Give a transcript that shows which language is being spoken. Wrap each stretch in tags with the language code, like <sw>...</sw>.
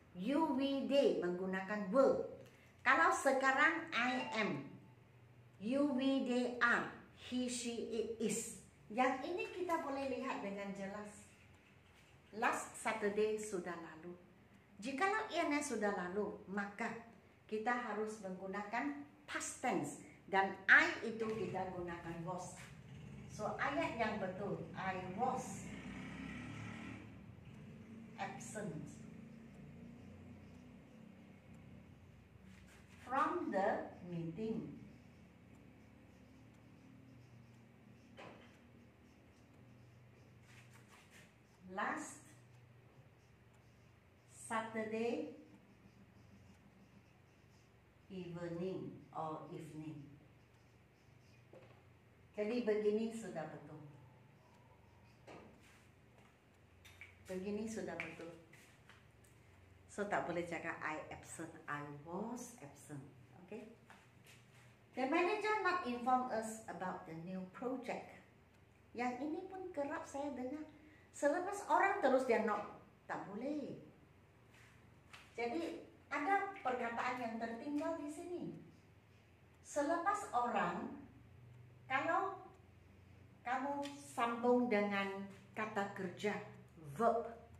<en>You, we, they</en> <ms>menggunakan</ms> <en>will.</en> <ms>Kalau sekarang</ms> <en>I am, you, we, they are, he, she, it is.</en> <ms>Yang ini kita boleh lihat dengan jelas.</ms> <en>Last Saturday</en> <ms>sudah lalu. Jikalau ianya sudah lalu, maka kita harus menggunakan past tense. Dan I itu kita gunakan was.</ms> <en>So</en> <ms>ayat yang betul,</ms> <en>I was absent from the meeting. Last Saturday evening or evening.</en> <ms>Jadi begini sudah betul. Begini sudah betul.</ms> <en>So</en> <ms>tak boleh cakap</ms> <en>I absent, I was absent. Okay. The manager not inform us about the new project.</en> <ms>Yang ini pun kerap saya dengar. Selepas orang terus dia not. Tak boleh. Jadi ada perkataan yang tertinggal di sini. Selepas orang, kalau kamu sambung dengan kata kerja, verb.</ms>